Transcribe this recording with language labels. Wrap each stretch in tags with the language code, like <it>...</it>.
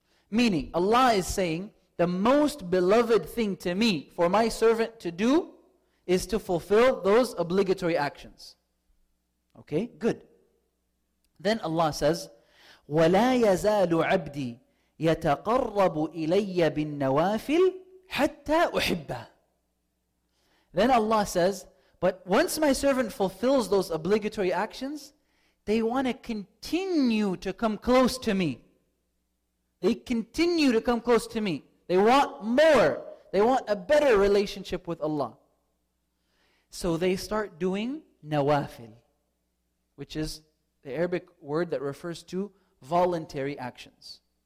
<en>Meaning, Allah is saying, the most beloved thing to me for my servant to do is to fulfill those obligatory actions. Okay, good. Then Allah says,</en> <ar>وَلَا يَزَالُ عَبْدِي يَتَقَرَّبُ إِلَيَّ بِالنَّوَافِلِ حَتَّى أُحِبَّهِ.</ar> <en>Then Allah says, but once my servant fulfills those obligatory actions, they want to continue to come close to me. They continue to come close to me. They want more. They want a better relationship with Allah. So they start doing nawafil, which is the Arabic word that refers to voluntary actions.</en>